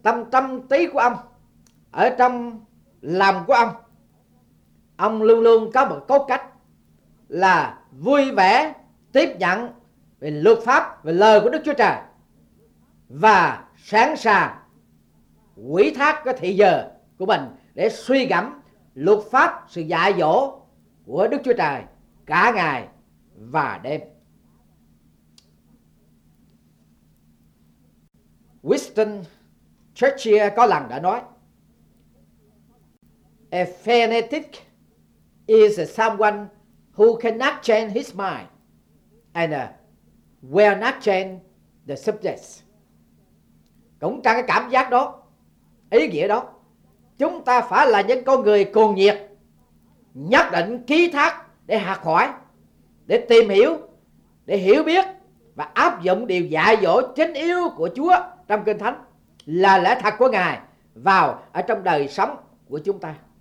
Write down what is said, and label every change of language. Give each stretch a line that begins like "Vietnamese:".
Vietnamese: Tâm trí của ông, ở trong lòng của ông luôn luôn có một cốt cách là vui vẻ tiếp nhận về luật pháp, về lời của Đức Chúa Trời, và sẵn sàng ủy thác cái thị giờ của mình để suy gẫm luật pháp, sự dạy dỗ của Đức Chúa Trời cả ngày và đêm.
English: Winston Churchill
Vietnamese: có lần đã nói:
English: a fanatic is someone who cannot change his mind and will not change the subject.
Vietnamese: Cũng trong cái cảm giác đó, ý nghĩa đó, chúng ta phải là những con người cuồng nhiệt, nhất định ký thác để học hỏi, để tìm hiểu, để hiểu biết và áp dụng điều dạy dỗ chính yếu của Chúa trong Kinh Thánh, là lẽ thật của Ngài vào ở trong đời sống của chúng ta.